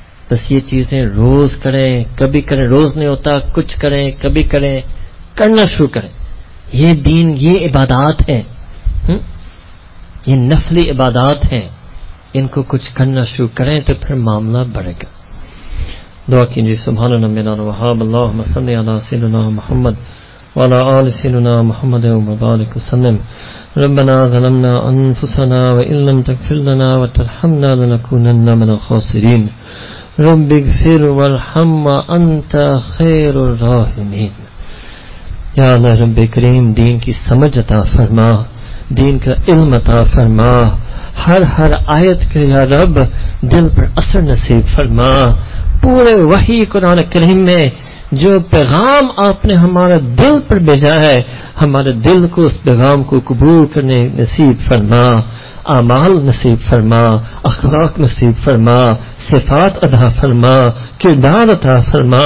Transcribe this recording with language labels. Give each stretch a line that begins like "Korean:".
Urdu: بس یہ چیزیں روز کریں, کبھی کریں, روز نہیں ہوتا, کچھ کریں کبھی کریں, کرنا شروع کریں. یہ دین, یہ عبادات ہیں, یہ نفلی عبادات ہیں, ان کو کچھ کرنا شروع کریں تو پھر معاملہ بڑھے گا. دعا کیجیے.
Arabic: سبحان ربنا وبحمدہ, اللهم صل علی سيدنا محمد وعلى آل سيدنا محمد وبارك وسلم. ربنا ظلمنا انفسنا وان لم تغفر لنا وترحمنا لنكونن من الخاسرين. رب اغفر وارحم وانت خير الراحمين. يا الله رب كريم,
Urdu: دين کی سمجھ عطا فرما, دین کا علم عطا فرما, ہر ہر آیت کا یا رب دل پر اثر نصیب فرما. پورے وحی قرآن کریم میں جو پیغام آپ نے ہمارے دل پر بھیجا ہے, ہمارے دل کو اس پیغام کو قبول کرنے نصیب فرما, اعمال نصیب فرما, اخلاق نصیب فرما, صفات ادا فرما, کردار عطا فرما.